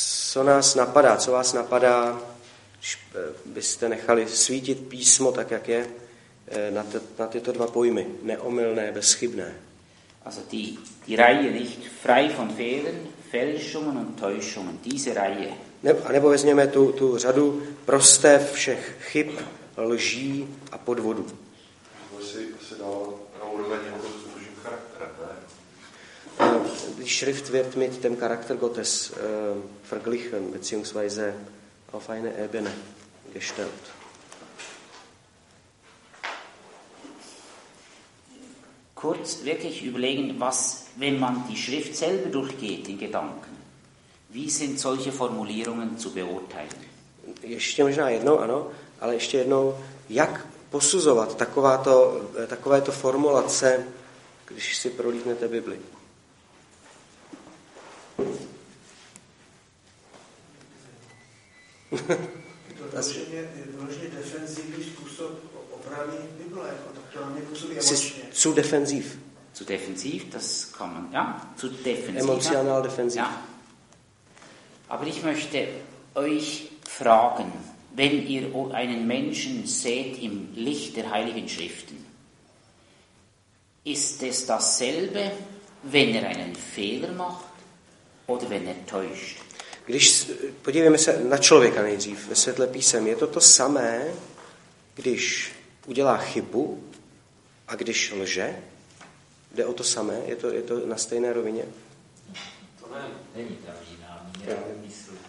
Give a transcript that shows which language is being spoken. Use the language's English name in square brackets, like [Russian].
[Czech] Co nás napadá, co vás napadá, když byste nechali svítit písmo tak, jak je, na tyto dva pojmy, neomylné, bezchybné. [German] Also die Reihe nicht frei von Fehlern, Fälschungen und Täuschungen, diese Reihe. [Czech] Nebo vezměme tu řadu prosté všech chyb, lží a podvodů. [German] Die Schrift wird mit dem Charakter Gottes verglichen beziehungsweise auf eine Ebene gestellt. Kurz wirklich überlegen, was, wenn man die Schrift selber durchgeht in Gedanken, wie sind solche Formulierungen zu beurteilen? [Czech] Ještě možná jednou, ano, ale ještě jednou, jak posuzovat takovéto formulace, když si prolítnete Bibli? Je to vložně defenzivní způsob obrany Bible, jako tak to nám nepůsobí emočně. [German] Zu defensiv. Zu defensiv, das kann man, ja, zu defensiv. Emotional defensiv. Ja. Aber ich möchte euch fragen, wenn ihr einen Menschen seht im Licht der Heiligen Schriften, ist es dasselbe, wenn er einen Fehler macht oder wenn er täuscht? [Czech] Když podívejme se na člověka nejdřív ve světle písem, je to to samé, když udělá chybu a když lže? Jde o to samé? Je to na stejné rovině? To ne, není ta vína, je to mysl.